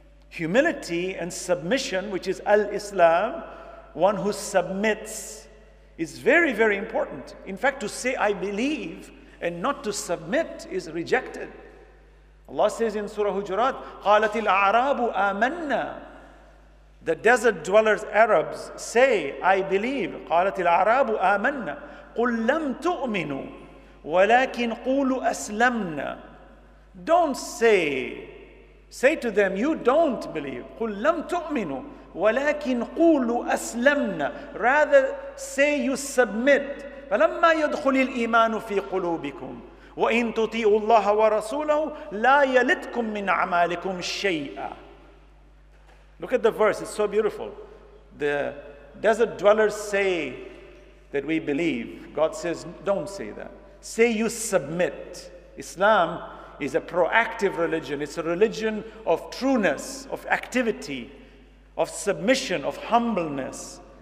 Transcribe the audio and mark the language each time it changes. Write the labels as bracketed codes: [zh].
[en] Humility and submission, which is al-Islam, one who submits, is very, very important. In fact, to say I believe and not to submit is rejected. Allah says in Surah Hujurat, [ar] قَالَتِ الْأَعْرَابُ آمَنَّا. [en] The desert dwellers, Arabs, say, I believe. [ar] قالت العرب آمنا قل لم تؤمنوا ولكن قولوا أسلمنا. [en] Don't say to them, you don't believe. [ar] قل لم تؤمنوا ولكن قولوا أسلمنا. [en] Rather say you submit. [ar] فلما يدخل الإيمان في قلوبكم وإن تطيعوا الله ورسوله لا يلتكم من أعمالكم شيئا. [en] Look at the verse, it's so beautiful. The desert dwellers say that we believe. God says, don't say that. Say you submit. Islam is a proactive religion. It's a religion of trueness, of activity, of submission, of humbleness.